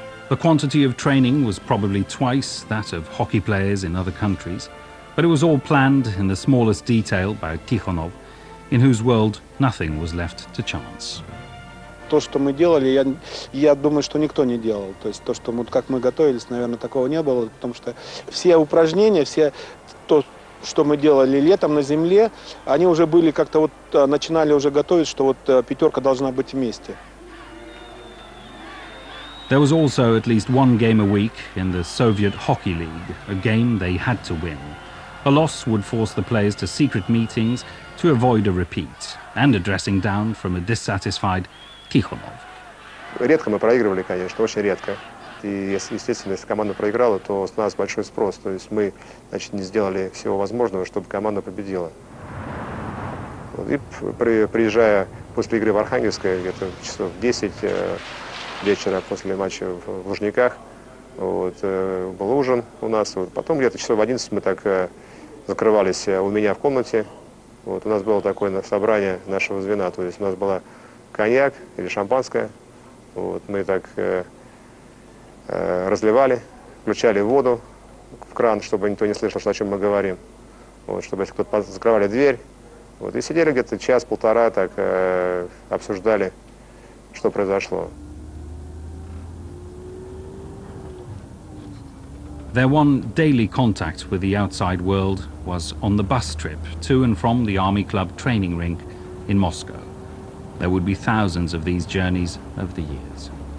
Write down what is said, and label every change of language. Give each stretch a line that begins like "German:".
English: The quantity of training was probably twice that of hockey players in other countries, but it was all planned in the smallest detail by Тихонов, in whose world nothing was left to chance.
Russian: То, что мы делали, я думаю, что никто не делал. То есть то, что мы, как мы готовились, наверное, такого не было, потому что все упражнения, все то, что мы делали летом на земле, они уже были как-то вот начинали уже готовить, что вот пятерка должна быть вместе.
English: There was also at least one game a week in the Soviet Hockey League, a game they had to win. A loss would force the players to secret meetings to avoid a repeat and a dressing down from a dissatisfied Тихонов.
Russian: Редко мы проигрывали, конечно, очень редко. И, естественно, если команда проиграла, то с нас большой спрос. То есть мы, значит, не сделали всего возможного, чтобы команда победила. И приезжая после игры в Архангельское, где-то часов 10 вечера после матча в Лужниках, вот, был ужин у нас. Вот. Потом где-то часов 11 мы так закрывались у меня в комнате. Вот, у нас было такое собрание нашего звена, то есть у нас была коньяк или шампанское. Вот, мы так разливали, включали воду в кран, чтобы никто не слышал, о чем мы говорим. Вот, чтобы если кто-то закрывали дверь. Вот, и сидели где-то час-полтора, так обсуждали, что произошло.
English: Their one daily contact with the outside world was on the bus trip to and from the Army Club training rink in Moscow. There would be thousands of these journeys over the years.